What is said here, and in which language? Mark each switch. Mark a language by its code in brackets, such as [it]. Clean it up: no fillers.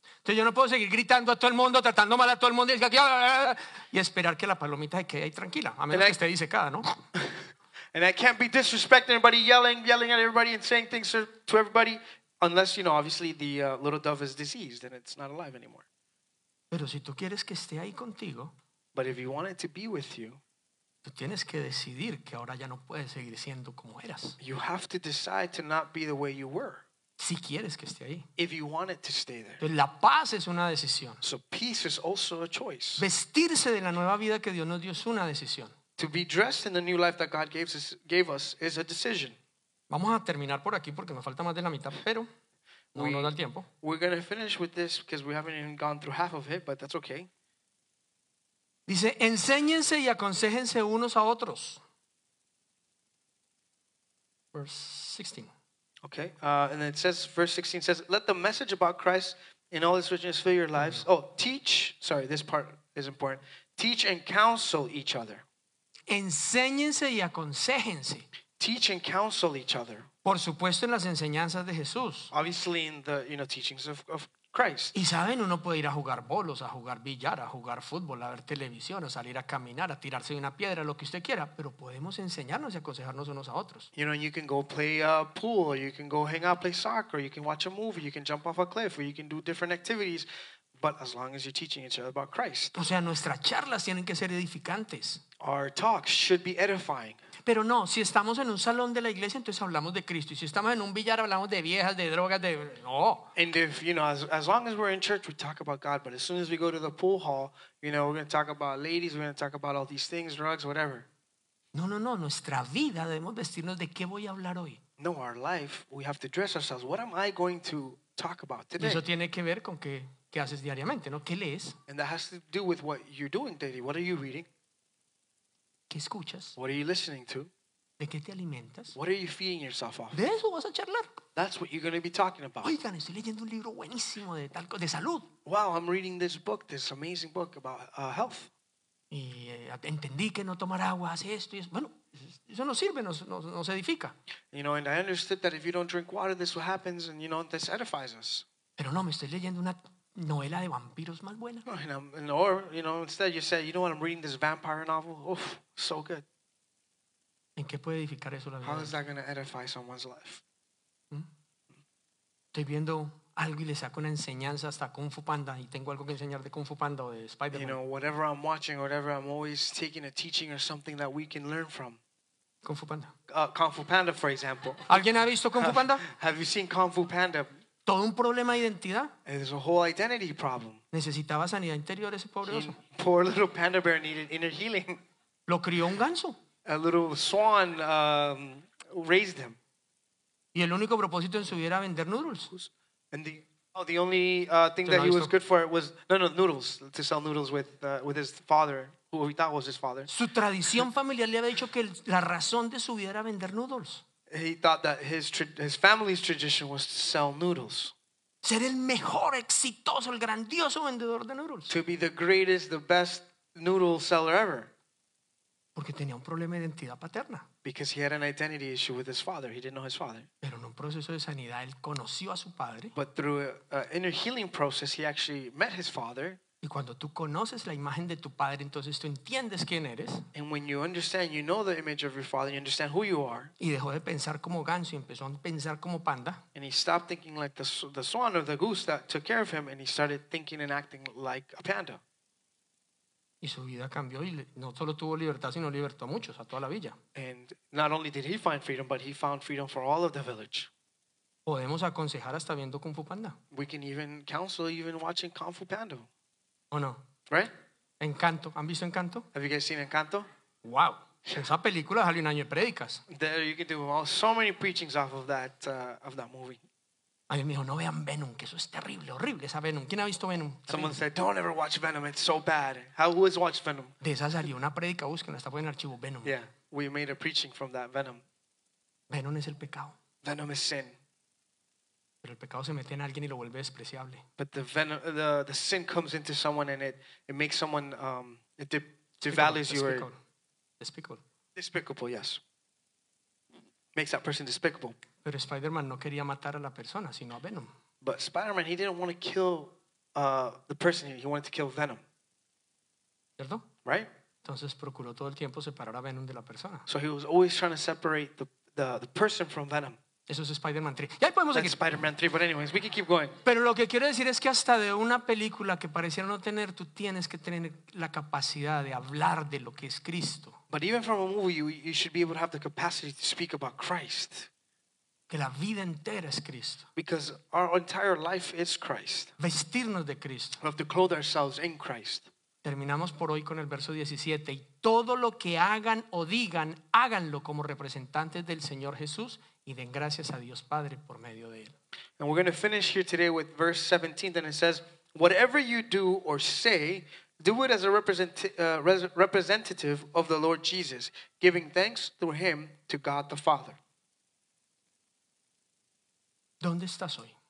[es] Entonces yo no puedo seguir gritando a todo el mundo, tratando mal a todo el mundo y esperar que la palomita se quede ahí tranquila, a menos que esté disecada, ¿no? [en] And I can't be disrespecting everybody, yelling at everybody and saying things to everybody unless, you know, obviously the little dove is diseased and it's not alive anymore. [es] Pero si tú quieres que esté ahí contigo, [en] but if you want it to be with you, [es] tú tienes que decidir que ahora ya no puedes seguir siendo como eras. [en] You have to decide to not be the way you were. [es] Si quieres que esté ahí. [en] If you want it to stay there. [es] Pero la paz es una decisión. [en] So peace is also a choice. [es] Vestirse de la nueva vida que Dios nos dio es una decisión. [en] To be dressed in the new life that God gave us is a decision. [es] Vamos a terminar por aquí porque me falta más de la mitad, pero no da el tiempo. [en] We're going to finish with this because we haven't even gone through half of it, but that's okay. [es] Dice, enséñense y aconséjense unos a otros. [en] Verse 16. Okay, and it says, verse 16 says, let the message about Christ in all its richness fill your lives. Mm-hmm. This part is important. Teach and counsel each other. [es] Enséñense y aconséjense. [en] Teach and counsel each other. [es] Por supuesto, en las enseñanzas de Jesús. [en] Obviously in the, you know, teachings of Christ. [es] Y saben, uno puede ir a jugar bolos, a jugar billar, a jugar fútbol, a ver televisión, a salir a caminar, a tirarse de una piedra, lo que usted quiera, pero podemos enseñarnos y aconsejarnos unos a otros. [en] You know, you can go play a pool, you can go hang out, play soccer, you can watch a movie, you can jump off a cliff, or you can do different activities, but as long as you're teaching each other about Christ. [es] O sea, nuestras charlas tienen que ser edificantes. [en] Our talks should be edifying. [es] Pero no, si estamos en un salón de la iglesia, entonces hablamos de Cristo. Y si estamos en un billar, hablamos de viejas, de drogas, de... No. [en] And if, you know, as long as we're in church, we talk about God. But as soon as we go to the pool hall, you know, we're going to talk about ladies, we're going to talk about all these things, drugs, whatever. No. [es] Nuestra vida, debemos vestirnos de qué voy a hablar hoy. [en] No, our life, we have to dress ourselves. What am I going to talk about today? [es] Eso tiene que ver con qué haces diariamente, ¿no? ¿Qué lees? [en] And that has to do with what you're doing daily. What are you reading? [es] ¿Qué escuchas? [en] What are you listening to? [es] ¿De qué te alimentas? [en] What are you feeding yourself off? [es] ¿De eso vas a charlar? [en] That's what you're going to be talking about. [es] Oigan, estoy leyendo un libro buenísimo de tal de salud. [en] Wow, I'm reading this book, this amazing book about health. [es] Y entendí que no tomar agua hace esto y eso. Bueno, eso no sirve, no se edifica. [en] You know, and I understood that if you don't drink water, this is what happens, and you know, this edifies us. [es] Pero no, me estoy leyendo una novela de vampiros más buena. [en] Or, you know, instead you said, you know what, I'm reading this vampire novel. Oof, so good. [es] ¿En qué puede edificar eso la vida? [en] How is that going to edify someone's life? [es] Estoy viendo algo y le saco una enseñanza hasta Kung Fu Panda y tengo algo que enseñar de Kung Fu Panda o de Spider-Man. [en] You know, whatever I'm watching or whatever, I'm always taking a teaching or something that we can learn from. [es] Kung Fu Panda. [en] Kung Fu Panda, for example. [es] ¿Alguien ha visto Kung Fu Panda? [en] Have you seen Kung Fu Panda? [es] Todo un problema de identidad. [en] There's a whole identity problem. [es] Necesitaba sanidad interior ese pobre oso. [en] Poor little panda bear needed inner healing. [es] Lo crió un ganso. [en] A little swan raised him. [es] Y el único propósito en su vida era vender noodles. [en] And the only thing that he was good for was noodles, to sell noodles with his father, who he thought was his father. [es] Su tradición familiar le había dicho que la razón de su vida era vender noodles. [en] He thought that his family's tradition was to sell noodles. [es] Ser el mejor, exitoso, el grandioso vendedor de noodles. [en] To be the greatest, the best noodle seller ever. [es] Porque tenía un problema de identidad paterna. [en] Because he had an identity issue with his father. He didn't know his father. [es] Pero en un proceso de sanidad, él conoció a su padre. [en] But through an inner healing process, he actually met his father. [es] Y cuando tú conoces la imagen de tu padre, entonces tú entiendes quién eres. [en] And when you understand, you know the image of your father, you understand who you are. [es] Y dejó de pensar como ganso y empezó a pensar como panda. [en] And he stopped thinking like the swan or the goose that took care of him, and he started thinking and acting like a panda. [es] Y su vida cambió y no solo tuvo libertad, sino libertó a muchos, a toda la villa. [en] And not only did he find freedom, but he found freedom for all of the village. [es] Podemos aconsejar hasta viendo Kung Fu Panda. [en] We can even counsel even watching Kung Fu Panda. [es] ¿O no? [en] Right? [es] Encanto. ¿Han visto Encanto? [en] Have you guys seen Encanto? Wow. [es] Esa película sale un año de predicas. [en] There you can do so many preachings off of that movie. [es] A mí me dijo, no vean Venom, que eso es terrible, horrible esa Venom. ¿Quién ha visto Venom? [en] Someone said, don't ever watch Venom, it's so bad. How has watched Venom? [es] De esa salió una prédica, búsquenla, está en archivo, Venom. [en] Yeah, we made a preaching from that, Venom. [es] Venom es el pecado. [en] Venom is sin. [es] Pero el pecado se mete en alguien y lo vuelve despreciable. [en] But the sin comes into someone and it makes someone, it devalues you. Despicable, yes. Makes that person despicable. [es] Pero Spider-Man no quería matar a la persona, sino a Venom. [en] But Spider-Man, he didn't want to kill the person. He wanted to kill Venom. [es] ¿Cierto? [en] Right? [es] Entonces procuró todo el tiempo separar a Venom de la persona. [en] So he was always trying to separate the person from Venom. [es] Eso es Spider-Man 3. Ya podemos seguir. [en] That's Spider-Man 3, but anyways, we can keep going. [es] Pero lo que quiero decir es que hasta de una película que pareciera no tener, tú tienes que tener la capacidad de hablar de lo que es Cristo. [en] But even from a movie, you should be able to have the capacity to speak about Christ. [es] Que la vida entera es Cristo. [en] Because our entire life is Christ. [es] Vestirnos de Cristo. [en] We have to clothe ourselves in Christ. [es] Terminamos por hoy con el verso 17. Y todo lo que hagan o digan, háganlo como representantes del Señor Jesús y den gracias a Dios Padre por medio de Él. [en] And we're going to finish here today with verse 17. And it says, whatever you do or say, do it as a representative of the Lord Jesus, giving thanks through Him to God the Father. [es] ¿Dónde estás hoy?